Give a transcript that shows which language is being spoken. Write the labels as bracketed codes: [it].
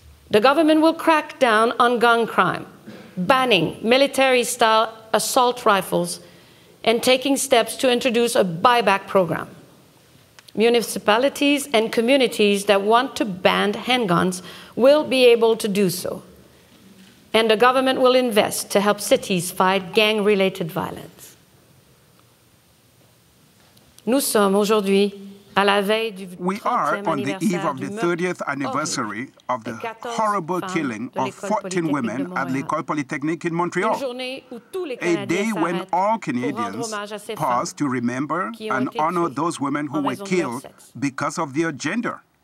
[en] The government will crack down on gun crime, banning military-style assault rifles and taking steps to introduce a buyback program. Municipalities and communities that want to ban handguns will be able to do so. And the government will invest to help cities fight gang-related violence. [fr] Nous sommes aujourd'hui à la veille du 30e anniversaire du meurtre horrible. [en] We are on the eve of the 30th anniversary of the horrible killing of 14 women at [fr] l'École Polytechnique [en] in Montreal. A day when all Canadians pause to remember and honor those women who were killed because of their gender.